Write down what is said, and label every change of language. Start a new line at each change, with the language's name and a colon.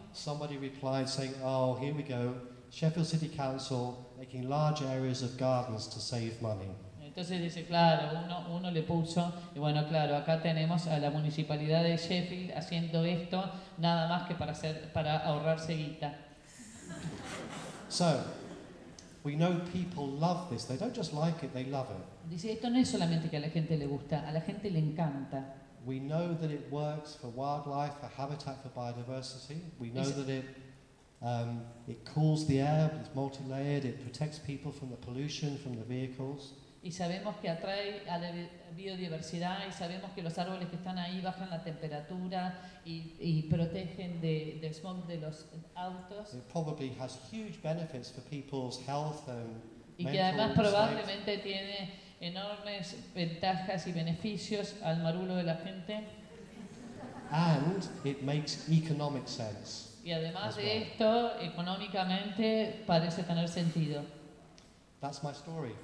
English: Somebody replied saying, oh, here we go, Sheffield City Council making large areas of gardens to save money.
Spanish: Entonces dice, claro, uno le puso, y bueno, claro, acá tenemos a la municipalidad de Sheffield haciendo esto nada más que para ahorrarse guita.
English: So, we know people love this. They don't just like it, they love it.
Spanish: Dice, esto no es solamente que a la gente le gusta, a la gente le encanta.
English: We know that it works for wildlife, for habitat, for biodiversity. We know that it cools the air, it's multi-layered, it protects people from the pollution, from the vehicles.
Spanish: Y sabemos que atrae a la biodiversidad y sabemos que los árboles que están ahí bajan la temperatura y protegen del smog de los autos.
English: It probably has huge benefits for people's health and
Spanish: y que además probablemente tiene enormes ventajas y beneficios al marulo de la gente.
English: And it makes economic sense.
Spanish: Y además de esto, económicamente parece tener sentido.
English: That's my story.